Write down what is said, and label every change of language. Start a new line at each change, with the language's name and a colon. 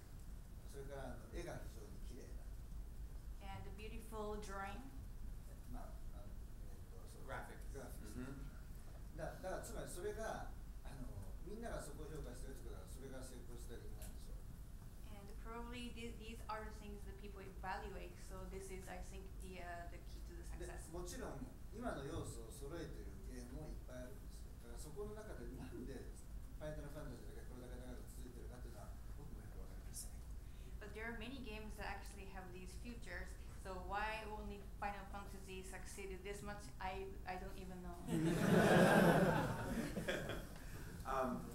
Japanese: それからあの絵が非常に綺麗だ。
English: And the beautiful drawing. まあ、 graphics.
Japanese: だからつまりそれがあのみんながそこを評価してるってことはそれが成功した理由なんでしょう。
English: And probably these are the things that people evaluate. So this is, I think, the key to the success.
Japanese: もちろん今の要素を揃えているゲームもいっぱいあるんですよ。だからそこの中でなんで。
English: But there are many games that actually have these features, so why only Final Fantasy succeeded this much, I don't even know.